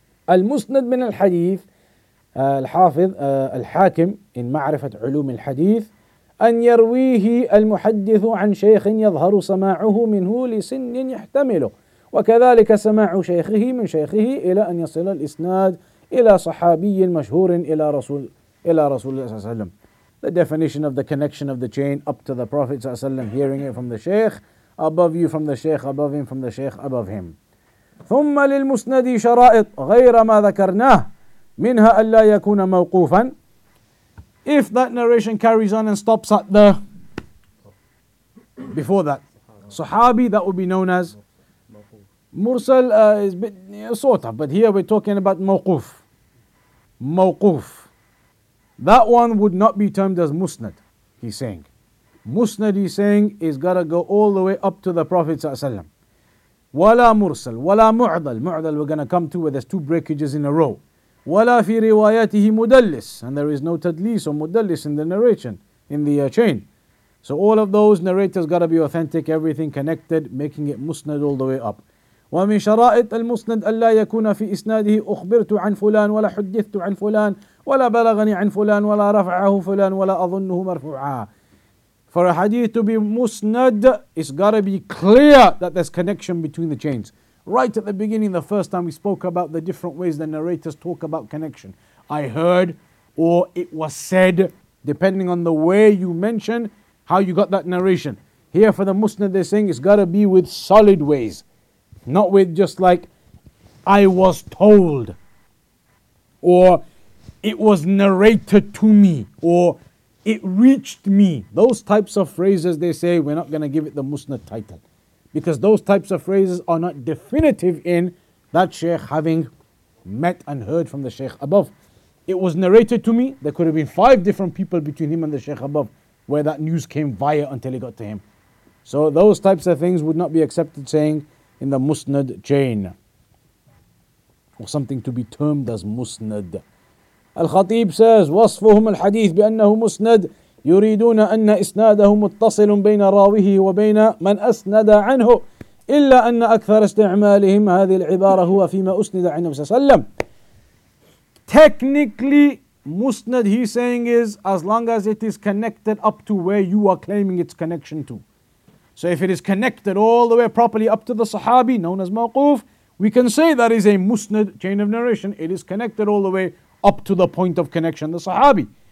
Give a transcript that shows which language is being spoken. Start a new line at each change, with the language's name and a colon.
Arabic: المسند من الحديث الحافظ الحاكم إن معرفة علوم الحديث أن يرويه المحدث عن شيخ يظهر سماعه منه لسن يحتمله وكذلك سماع شيخه من شيخه إلى أن يصل الإسناد إلى صحابي مشهور إلى رسول الله صلى الله عليه وسلم.
English: The definition of the connection of the chain up to the Prophet
Arabic: صلى الله عليه وسلم,
English: hearing it from the sheikh above you, from the sheikh above him, from the sheikh above him.
Arabic: ثم للمسند شرائط غير ما ذكرناه منها أن لا يكون موقوفا.
English: If that narration carries on and stops at the before that صحابي, that would be known as مرسل is a bit sort of, but here we're talking about موقوف. That one would not be termed as مسند. He's saying مسند, he's saying, is gotta go all the way up to the Prophet
Arabic: صلى الله عليه وسلم. ولا مرسل ولا معضل.
English: معضل we're going to come to where there's two breakages in a row.
Arabic: ولا في رواياته مدلس,
English: and there is no تدليس or مدلس in the narration, in the chain. So all of those narrators got to be authentic, everything connected, making it مسند all the way up.
Arabic: ومن شرائط المسند ألا يكون في إسناده أخبرت عن فلان ولا حدثت عن فلان ولا بلغني عن فلان ولا رفعه فلان ولا أظنه مرفوعا.
English: For a hadith to be musnad, it's got to be clear that there's connection between the chains. Right at the beginning, the first time we spoke about the different ways the narrators talk about connection. I heard, or it was said, depending on the way you mention, how you got that narration. Here for the musnad, they're saying it's got to be with solid ways. Not with just like, I was told. Or, it was narrated to me. Or, it reached me. Those types of phrases, they say, we're not going to give it the Musnad title. Because those types of phrases are not definitive in that Shaykh having met and heard from the Shaykh above. It was narrated to me. There could have been five different people between him and the Shaykh above where that news came via until it got to him. So those types of things would not be accepted saying in the Musnad chain. Or something to be termed as Musnad.
Arabic: الخطيب
English: says
Arabic: وصفهم الحديث بأنه مسند يريدون أن إسناده متصل بين راويه وبين من أسند عنه إلا أن أكثر استعمالهم هذه العبارة هو فيما أسند عن نفسه سلم.
English: Technically مسند, he's saying, is as long as it is connected up to where you are claiming its connection to. So if it is connected all the way properly up to the صحابي known as موقوف, we can say that is a مسند chain of narration. It is connected all the way up to the point of connection, the Sahabi.